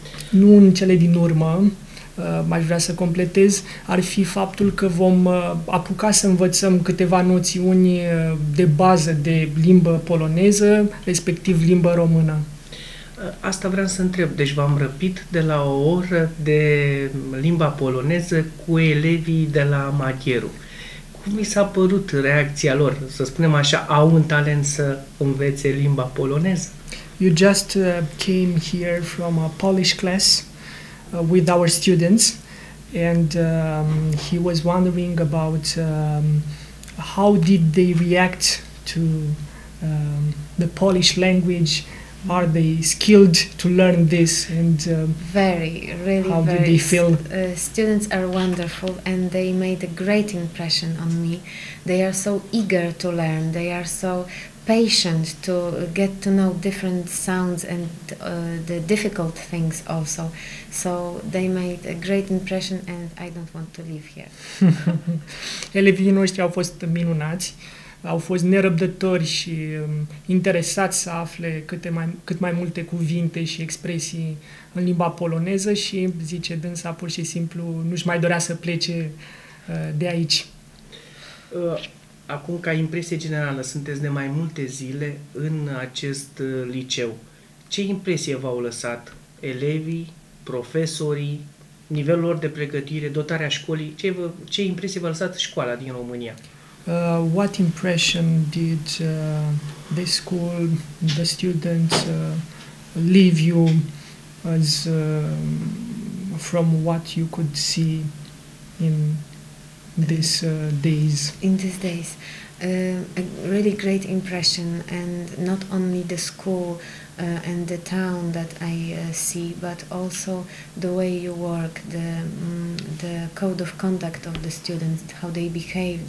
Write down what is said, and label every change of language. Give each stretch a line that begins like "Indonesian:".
Romanian: Nu în cele din urmă, aș vrea să completez, ar fi faptul că vom apuca să învățăm câteva noțiuni de bază de limbă poloneză, respectiv limbă română. Asta vreau să întreb. Deci v-am răpit de la o oră de limba poloneză cu elevii de la Magheru. Cum mi s-a părut reacția lor? Să spunem așa, au un talent să învețe limba poloneză?
English: You just came here from a Polish class with our students, and he was wondering about how did they react to the Polish language. Are they skilled to learn this? And how do they feel? Students are wonderful, and they made a great impression on me. They are so eager to learn. They are so patient to get to know different sounds and the difficult things also. So they made a great impression, and I don't want to live here.
Romanian: Elevii noștri au fost minunați. Au fost nerăbdători și interesați să afle cât mai multe cuvinte și expresii în limba poloneză și, zice dânsa, pur și simplu nu-și mai dorea să plece de aici. Acum, ca impresie generală, sunteți de mai multe zile în acest liceu. Ce impresie v-au lăsat elevii, profesorii, nivelul lor de pregătire, dotarea școlii? Ce impresie v-a lăsat școala din România?
English: What impression did the school, the students leave you as from what you could see in these days? In these days, a really great impression, and not only the school and the town that I see, but also the way you work, the code of conduct of the students, how they behave.